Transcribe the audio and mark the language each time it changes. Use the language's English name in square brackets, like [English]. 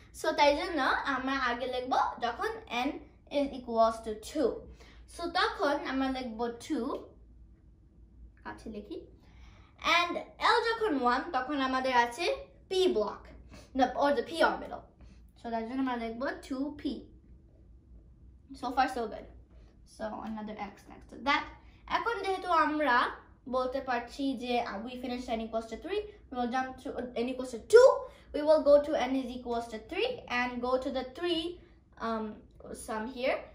[Bangla] So তাই জন্য আমরা আগে লিখবো যখন n is equals to 2. So তখন আমরা লিখবো 2 কাছে লিখি, and l যখন 1 তখন আমাদের আছে p block or the p orbital. So তাই জন্য আমরা লিখবো 2p. [English] So far so good. So another x next to that. [Bangla] এখন যেহেতু আমরা বলতে পারছি যে [English] we finished n equals to 3, we will jump to n equals to 2, we will go to n is equals to 3 and go to the 3 sum here.